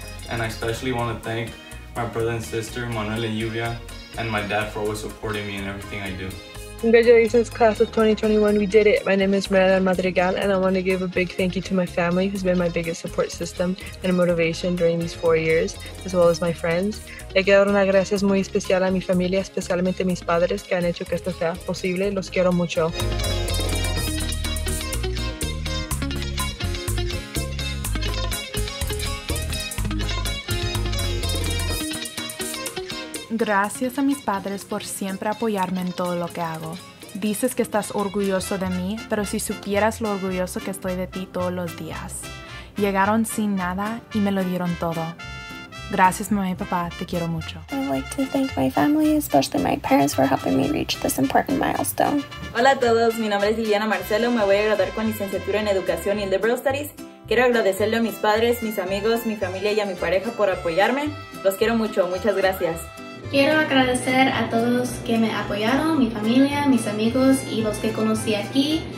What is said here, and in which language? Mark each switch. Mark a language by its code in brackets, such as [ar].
[en] And I especially want to thank my brother and sister, Manuel and Yuvia, and my dad for always supporting me in everything I do. Congratulations, class of 2021, we did it. My name is Mariana Madrigal, and I want to give a big thank you to my family, who's been my biggest support system and motivation during these 4 years, as well as my friends. [es] Le quiero dar una gracias muy especial a mi familia, especialmente mis padres, que han hecho que esto sea posible. Los quiero mucho. Gracias a mis padres por siempre apoyarme en todo lo que hago. Dices que estás orgulloso de mí, pero si supieras lo orgulloso que estoy de ti todos los días. Llegaron sin nada y me lo dieron todo. Gracias, mamá y papá, te quiero mucho. [en] I would like to thank my family, especially my parents, for helping me reach this important milestone. [es] Hola a todos, mi nombre es Liliana Marcelo, me voy a graduar con licenciatura en educación y [en] liberal studies. [es] Quiero agradecerle a mis padres, mis amigos, mi familia y a mi pareja por apoyarme. Los quiero mucho, muchas gracias. Quiero agradecer a todos que me apoyaron, mi familia, mis amigos y los que conocí aquí.